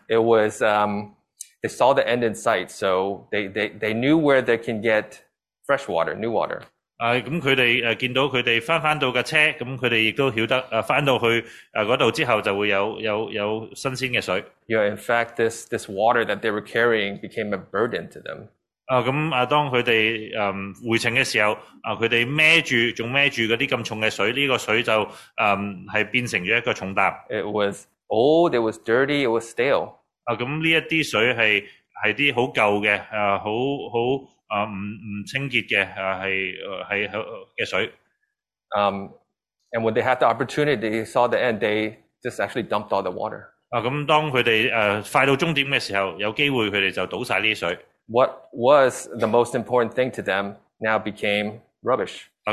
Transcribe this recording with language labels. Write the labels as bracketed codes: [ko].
[en] It was, they saw the end in sight, so they knew where they can get fresh water, new water. [zh] 他們見到他們回到車,他們也曉得回到那裡之後就會有新鮮的水。 [en] Yeah, in fact, this water that they were carrying became a burden to them. [zh] 當他們回程的時候,他們還背著那些重的水,這個水就變成了一個重擔。 [en] It was old, it was dirty, it was stale. [zh] 這些水是很舊的,很... 不清潔的水。 [en] And when they had the opportunity, they saw the end, they just actually dumped all the water. [zh] 當他們快到終點的時候,有機會他們就倒了這些水。 [en] What was the most important thing to them now became rubbish.